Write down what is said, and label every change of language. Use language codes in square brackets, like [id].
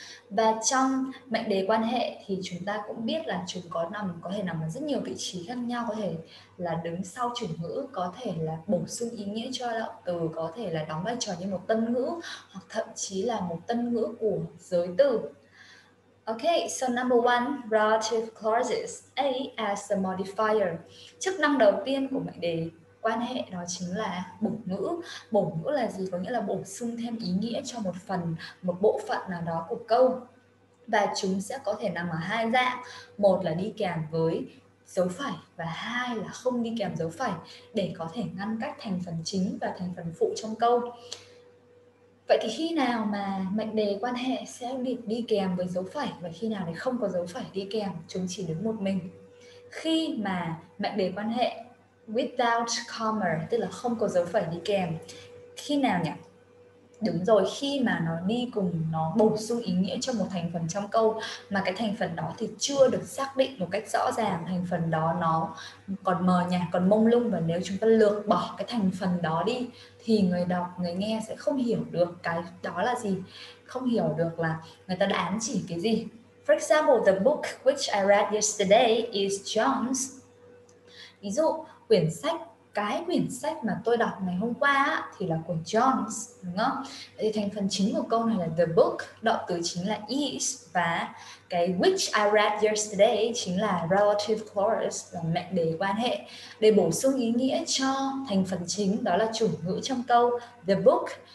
[vi] Và trong mệnh đề quan hệ thì chúng ta cũng biết là chúng có thể nằm ở rất nhiều vị trí khác nhau, có thể là đứng sau chủ ngữ, có thể là bổ sung ý nghĩa cho động từ, có thể là đóng vai trò như một tân ngữ, hoặc thậm chí là một tân ngữ của giới từ. [en] Okay, so number one, relative clauses, A as the modifier. [vi] Chức năng đầu tiên của mệnh đề quan hệ đó chính là bổ ngữ. Bổ ngữ là gì? Có nghĩa là bổ sung thêm ý nghĩa cho một phần, một bộ phận nào đó của câu. Và chúng sẽ có thể nằm ở hai dạng. Một là đi kèm với dấu phẩy, và hai là không đi kèm dấu phẩy, để có thể ngăn cách thành phần chính và thành phần phụ trong câu. Vậy thì khi nào mà mệnh đề quan hệ sẽ đi kèm với dấu phẩy, và khi nào thì không có dấu phẩy đi kèm, chúng chỉ đứng một mình? Khi mà mệnh đề quan hệ without comma, tức là không có dấu phẩy đi kèm, khi nào nhỉ? Đúng rồi, khi mà nó đi cùng, nó bổ sung ý nghĩa cho một thành phần trong câu mà cái thành phần đó thì chưa được xác định một cách rõ ràng, thành phần đó nó còn mờ nhạt, còn mông lung, và nếu chúng ta lược bỏ cái thành phần đó đi thì người đọc, người nghe sẽ không hiểu được cái đó là gì, không hiểu được là người ta đã ám chỉ cái gì. [en] For example, the book which I read yesterday is John's. [vi] Ví dụ, cái quyển sách mà tôi đọc ngày hôm qua thì là của John's, đúng không? Thì thành phần chính của câu này là the book, động từ chính là is, và cái [en] which I read yesterday [vi] chính là relative clause, là mệnh đề quan hệ, để bổ sung ý nghĩa cho thành phần chính, đó là chủ ngữ trong câu, the book.